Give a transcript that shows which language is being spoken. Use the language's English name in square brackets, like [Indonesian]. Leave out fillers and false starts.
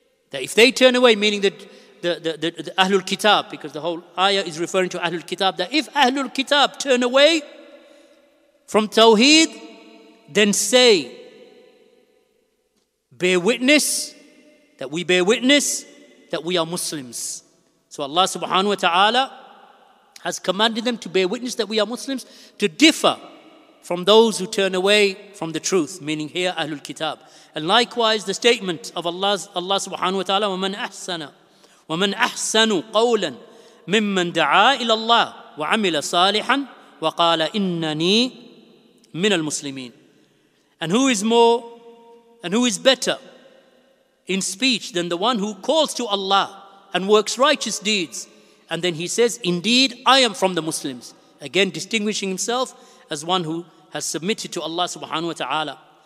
[English] that if they turn away, meaning that the Ahlul Kitab, because the whole ayah is referring to Ahlul Kitab, that if Ahlul Kitab turn away from Tawheed, then say, bear witness, that we bear witness that we are Muslims. So Allah subhanahu wa ta'ala has commanded them to bear witness that we are Muslims, to differ from those who turn away from the truth, meaning here Ahlul Kitab. And likewise, the statement of Allah subhanahu wa ta'ala, [Arabic] وَمَنْ أَحْسَنَ وَمَنْ أَحْسَنُ قَوْلًا مِمَّنْ دَعَى إِلَى اللَّهِ وَعَمِلَ صَالِحًا وَقَالَ إِنَّنِي مِنَ الْمُسْلِمِينَ. [English] And who is more and who is better in speech than the one who calls to Allah and works righteous deeds, and then he says, indeed, I am from the Muslims. Again, distinguishing himself as one who has submitted to Allah subhanahu wa ta'ala.